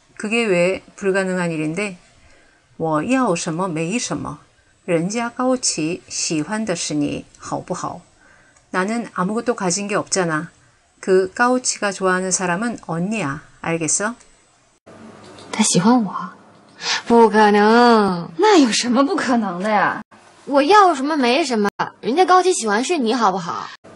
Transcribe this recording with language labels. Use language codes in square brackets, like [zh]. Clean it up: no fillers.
[ko] 그게 왜 불가능한 일인데? [zh] 我要什么没什么，人家高奇喜欢的是你，好不好? [ko] 나는 아무것도 가진 게 없잖아. 그 까오치가 좋아하는 사람은 언니야. 알겠어? [zh] 他喜欢我？不可能。那有什么不可能的呀？我要什么没什么，人家高奇喜欢是你，好不好？